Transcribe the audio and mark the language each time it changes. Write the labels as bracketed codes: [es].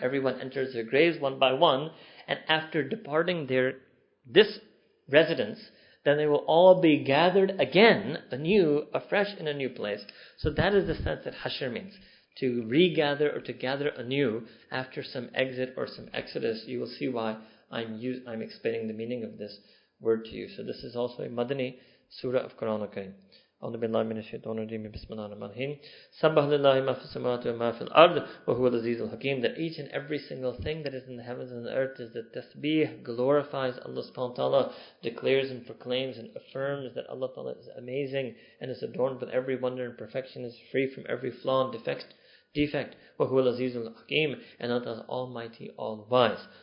[en] Everyone enters their graves one by one. And after departing this residence, then they will all be gathered again, anew, afresh in a new place. So that is the sense that Hashr means. To regather or to gather anew after some exit or some exodus. You will see why I'm explaining the meaning of this word to you. So this is also a Madani surah of Quran al-Karim. [ar] أعوذ بالله من الشيطان الرجيم بسم الله الرحمن الرحيم سبح لله ما في السماوات وما في الأرض وهو العزيز الحكيم. [en] That each and every single thing that is in the heavens and the earth is the tasbih, glorifies Allah subhanahu wa ta'ala, declares and proclaims and affirms that Allah ta'ala is amazing and is adorned with every wonder and perfection, is free from every flaw and defect, defect. [ar] وَهُوَ الْعَزِيزُ الْحَكِيمُ, [en] and Allah is Almighty, All Wise.